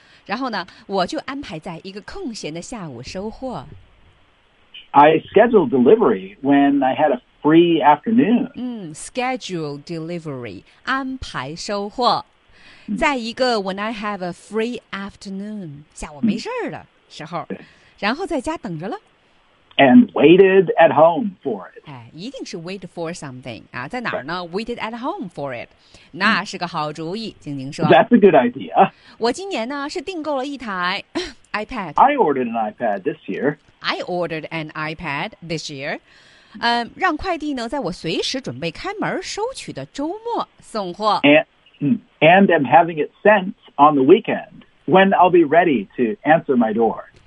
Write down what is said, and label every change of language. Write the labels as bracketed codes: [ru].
[zh] 然后呢，我就安排在一个空闲的下午收货。 [en] I scheduled delivery when I had a free afternoon. Schedule delivery, [zh] 安排收货。在一个 [en] when I have a free afternoon, [zh] 下午没事儿的时候，然后在家等着了。 [en] And waited at home for it. [zh] 哎，一定是 wait for something 啊，在哪儿呢 ？ [en] Waited at home for it. [zh] 那是个好主意，晶晶说。 [en] That's a good idea. [zh] 我今年呢是订购了一台 iPad. [en] I ordered an iPad this year. I ordered an iPad this year. [zh] 让快递呢在我随时准备开门收取的周末送货。 [en] And am having it sent on the weekend when I'll be ready to answer my door.